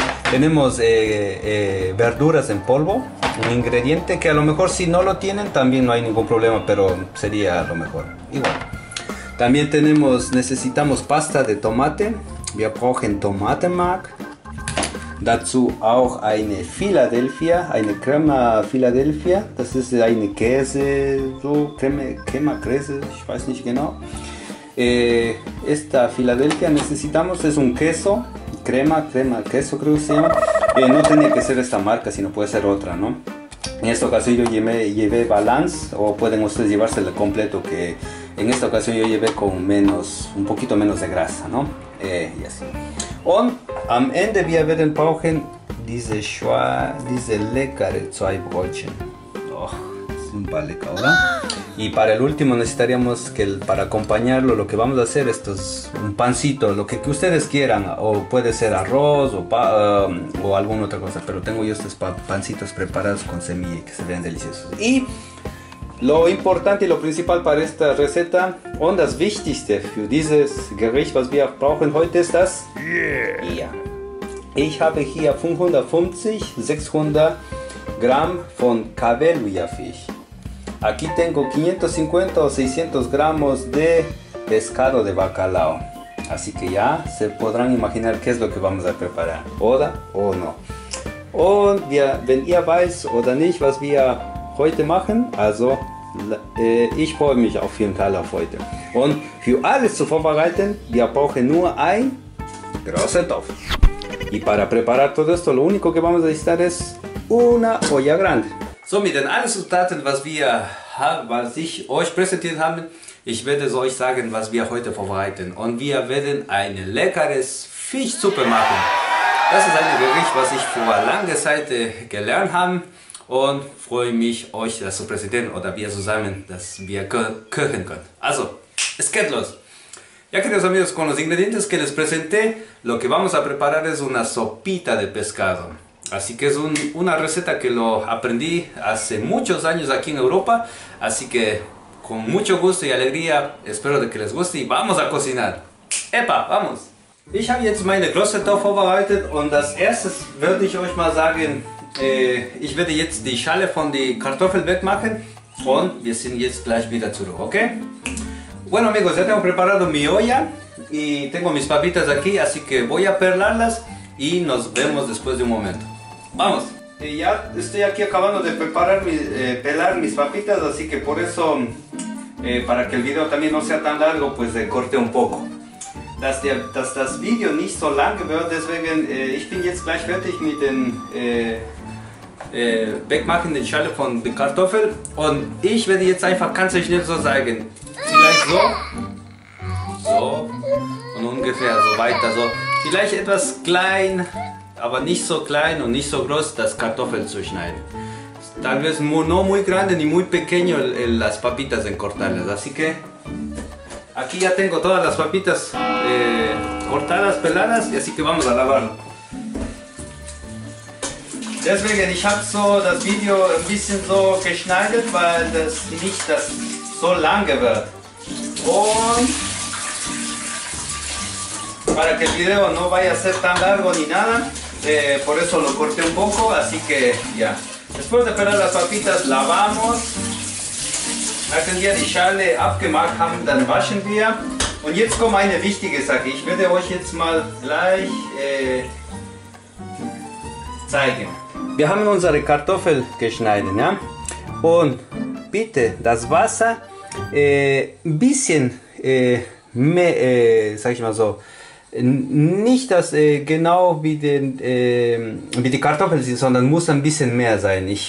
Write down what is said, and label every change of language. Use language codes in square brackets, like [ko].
[es] Tenemos verduras en polvo, un ingrediente que a lo mejor si no lo tienen también no hay ningún problema, pero sería a lo mejor igual. También tenemos, necesitamos pasta de tomate, [de] wir brauchen Tomatenmark. Dazu auch eine Philadelphia, eine Crema Philadelphia, das ist eine Käse, so Crema Käse, ich weiß nicht genau. [es] Esta Philadelphia necesitamos, es un queso, crema, queso creo que se llama. No tenía que ser esta marca, sino puede ser otra, ¿no? En esta ocasión yo llevé balance, o pueden ustedes llevársela completo, que en esta ocasión yo llevé con menos, un poquito menos de grasa, ¿no? Y así. [de] Und am Ende wir werden brauchen diese leckere zwei Brötchen. Oh, super lecker, oder? [es] Y para el último necesitaríamos que para acompañarlo lo que vamos a hacer esto es un pancito, lo que ustedes quieran, o puede ser arroz o alguna otra cosa, pero tengo yo estos pancitos preparados con semilla que se ven deliciosos. Y lo importante y lo principal para esta receta, [de] und das Wichtigste für dieses Gericht, was wir brauchen heute, ist das Yeah. Ja. Ich habe hier 600 Gramm von Kabeljaufisch. [es] Aquí tengo 550 o 600 gramos de pescado de bacalao. Así que ya se podrán imaginar qué es lo que vamos a preparar, [de] oder? [es] O no. [de] Und wir, wenn ihr weiß oder nicht, was wir heute machen, also ich freue mich auf jeden Fall auf heute. Und für alles zu vorbereiten, wir brauchen nur ein großer Topf. [es] Y para preparar todo esto, lo único que vamos a necesitar es una olla grande. [de] So, mit den allen Zutaten, was ich euch präsentiert habe, ich werde euch sagen, was wir heute vorbereiten. Und wir werden eine leckeres Fischsuppe machen. Das ist ein Gericht, was ich vor langer Zeit gelernt habe. Und freue mich, euch das zu präsentieren oder wir zusammen, dass wir kochen können. Also, es geht los. [es] Ya, queridos amigos, con los ingredientes que les presenté, lo que vamos a preparar es una sopita de pescado. Así que es una receta que lo aprendí hace muchos años aquí en Europa. Así que, con mucho gusto y alegría, espero de que les guste y vamos a cocinar. ¡Epa! ¡Vamos! [de] Ich habe jetzt meine Klostertopf vorbereitet und das erste würde ich euch mal sagen, ich werde jetzt die Schale von den Kartoffeln wegmachen und wir sind jetzt gleich wieder zurück, okay? [es] Bueno amigos, ya tengo preparado mi olla y tengo mis papitas aquí, así que voy a perlarlas y nos vemos después de un momento. ¡Vamos! Ya estoy aquí acabando de preparar, pelar mis papitas, así que por eso, para que el video también no sea tan largo, pues corté un poco. [de] Dass das Video nicht so lang wird, deswegen, ich bin jetzt gleich fertig mit den wegmachen, den Schale von den Kartoffeln. Und ich werde jetzt einfach ganz schnell so zeigen. Vielleicht so. So. Und ungefähr so weiter. So. Vielleicht etwas klein, aber nicht so klein und nicht so groß, das Kartoffeln zu schneiden. [es] Tal vez no muy grande ni muy pequeño las papitas en cortarlas. Así que aquí ya tengo todas las papitas cortadas, peladas, y así que vamos a lavar. [de] Deswegen, ich habe so das Video ein bisschen so geschneidet, weil das nicht das so lange wird. Und [es] para que el video no vaya a ser tan largo ni nada, por eso lo corté un poco, así que ya. Después de pelar las papitas, lavamos. [de] Nachdem wir die Schale abgemacht haben, dann waschen wir. Und jetzt kommt eine wichtige Sache. Ich werde euch jetzt mal gleich zeigen. Wir haben unsere Kartoffeln geschnitten, ja? Und bitte das Wasser ein bisschen mehr, sag ich mal so, nicht das genau wie die Kartoffeln sind, sondern muss ein bisschen mehr sein.